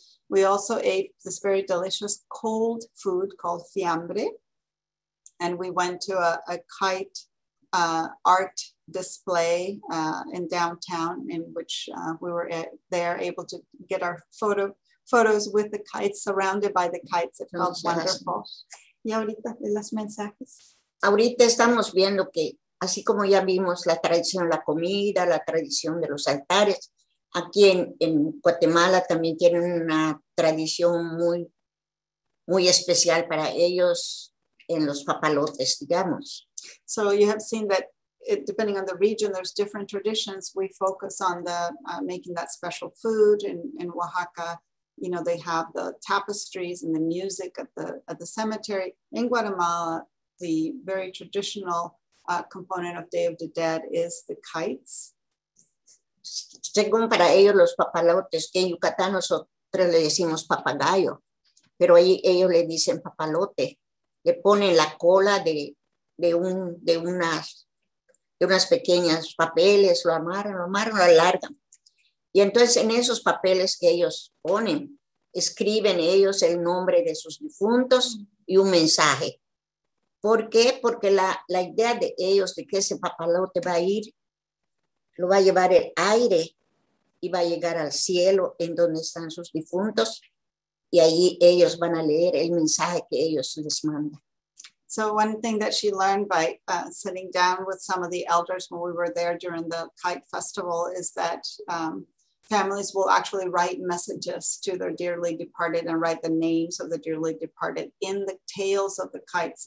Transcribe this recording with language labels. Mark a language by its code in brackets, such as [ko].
[en] We also ate this very delicious cold food called fiambre. And we went to a kite art display in downtown, in which we were there able to get our photos with the kites, surrounded by the kites. It felt wonderful. [es] Y ahorita, en los mensajes. Ahorita estamos viendo que, así como ya vimos la tradición de la comida, la tradición de los altares, aquí en Guatemala también tienen una tradición muy, muy especial para ellos en los papalotes, digamos. [en] So you have seen that it, depending on the region, there's different traditions. We focus on the making that special food in Oaxaca. You know, they have the tapestries and the music at the cemetery. In Guatemala, the very traditional component of Day of the Dead is the kites. [es] Según para ellos los papalotes, que en Yucatán nosotros le decimos papagayo, pero ahí ellos le dicen papalote, le ponen la cola de unas pequeñas papeles, lo amarran, lo alargan. Y entonces en esos papeles que ellos ponen, escriben ellos el nombre de sus difuntos y un mensaje. ¿Por qué? Porque la idea de ellos de que ese papalote va a ir, lo va a llevar el aire y va a llegar al cielo en donde están sus difuntos y ahí ellos van a leer el mensaje que ellos les mandan. [en] So one thing that she learned by sitting down with some of the elders when we were there during the kite festival is that families will actually write messages to their dearly departed and write the names of the dearly departed in the tails of the kites.